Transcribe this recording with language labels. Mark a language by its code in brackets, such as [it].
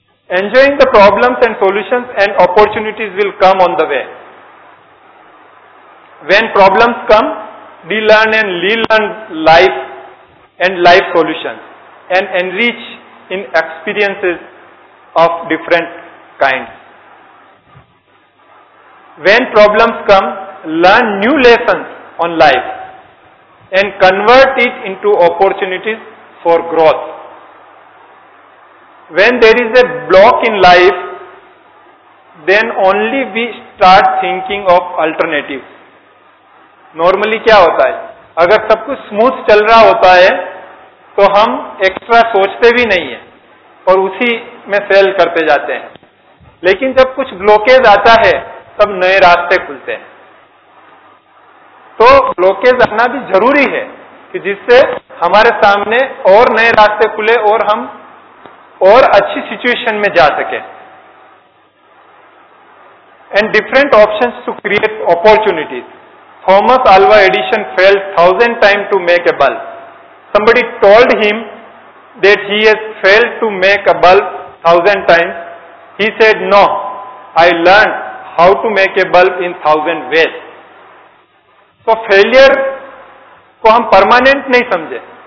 [en] Enjoying the problems and solutions and opportunities will come on the way. When problems come, डी learn and relearn life and life solutions and enrich in experiences of different kinds. When problems come, learn new lessons on life and convert it into opportunities for growth. When there is a block in life, then only we start thinking of alternatives. [hi] Normally kya hota hai, agar sab kuch smooth chal raha hota hai तो हम extra सोचते भी नहीं है और उसी में fail करते जाते हैं. लेकिन जब कुछ ब्लॉकेज आता है तब नए रास्ते खुलते हैं. तो ब्लॉकेज आना भी जरूरी है कि जिससे हमारे सामने और नए रास्ते खुले और हम और अच्छी सिचुएशन में जा सके. [en] And different options to create opportunities. Thomas Alva Edison failed 1000 time to make a bulb. Somebody told him that he has failed to make a bulb 1000 times. He said, no, I learned how to make a bulb in 1000 ways. [hi] So failure ko hum permanent nahi samjhe.